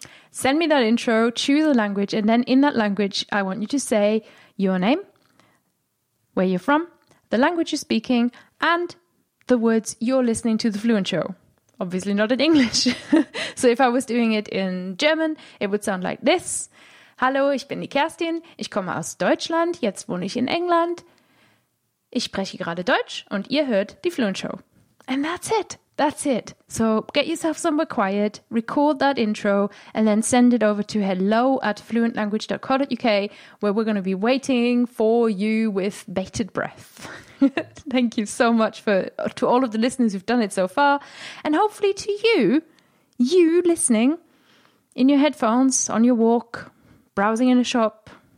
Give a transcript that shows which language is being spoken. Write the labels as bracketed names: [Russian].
[English] Send me that intro, choose a language, and then in that language, I want you to say your name, where you're from, the language you're speaking, and the words you're listening to the Fluent Show. Obviously not in English. So if I was doing it in German, it would sound like this. [German] Hallo, ich bin die Kerstin. Ich komme aus Deutschland. Jetzt wohne ich in England. Ich spreche gerade Deutsch und ihr hört die Fluent Show. [English] And that's it. That's it. So get yourself somewhere quiet, record that intro, and then send it over to hello@fluentlanguage.co.uk, where we're going to be waiting for you with bated breath. Thank you so much to all of the listeners who've done it so far, and hopefully to you listening in your headphones, on your walk, browsing in a shop.